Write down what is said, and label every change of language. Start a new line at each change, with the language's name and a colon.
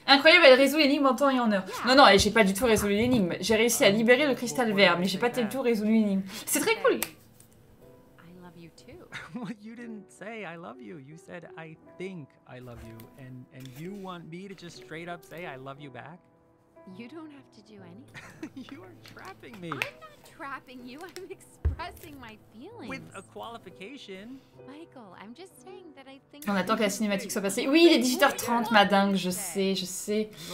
French: Incroyable, elle résout l'énigme en temps et en heure. Non, non, j'ai pas du tout résolu l'énigme. J'ai réussi à libérer le cristal vert, mais j'ai pas du tout résolu l'énigme. C'est très cool.
English: I love you too. Well, you didn't say I love you. You said I think I love you, and you want me to just straight up say I love you back? You don't have to do anything. You are trapping me. I'm not trapping you. I'm expressing my feelings. With a qualification. Michael, I'm just saying that I think...
French: On attend que la cinématique soit passée. Oui, il est 18h30, ma dingue, je sais, je sais.